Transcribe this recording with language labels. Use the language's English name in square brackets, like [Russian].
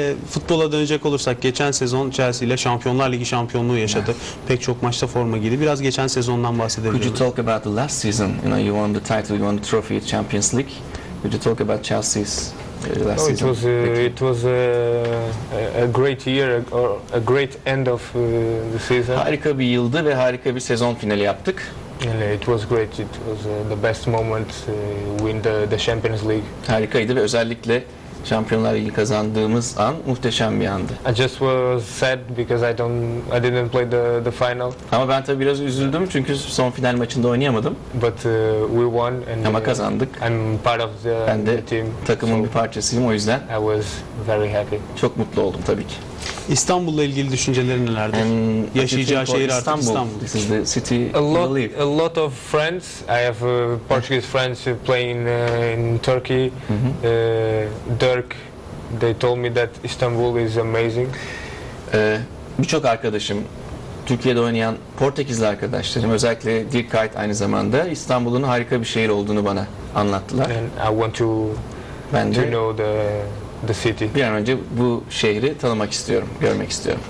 [Turkish] Futbola dönecek olursak, geçen sezon Chelsea ile Şampiyonlar Ligi şampiyonluğu yaşadı. Pek çok maçta forma giydi. Biraz geçen sezondan bahsedelim. [English] Could you talk about the last season? You know, you won the title, you won the trophy, Champions League. Could you talk about Chelsea's last season? It was a great year, a great end of the season. [Turkish] Harika bir yıldı ve harika bir sezon finali yaptık. [English] It was great. It was the best moment win the Champions League. [Turkish] Harikaydı ve özellikle Şampiyonlar Ligi kazandığımız an muhteşem bir andı. [English] I just was sad because I didn't play the final. [Turkish] Ama ben tabii biraz üzüldüm çünkü son final maçında oynayamadım. [English] But we won and [Turkish] ama kazandık. [English] I'm part of the team. [Turkish] Ben de takımın bir parçasıyım, o yüzden. [English] I was very happy. [Turkish] Çok mutlu oldum tabii ki. İstanbul'la ilgili düşüncelerin nelerdir? Yaşayacağı şehir artık İstanbul. [English] This is the city. A lot of friends. I have Portuguese friends playing in Turkey. Dirk, they told me that Istanbul is amazing. [Turkish] Birçok arkadaşım, Türkiye'de oynayan Portekizli arkadaşlarım, özellikle Dirk Kite aynı zamanda İstanbul'un harika bir şehir olduğunu bana anlattılar. [English] And I want to know the city. [Turkish] Bir an önce bu şehri tanımak istiyorum, görmek istiyorum.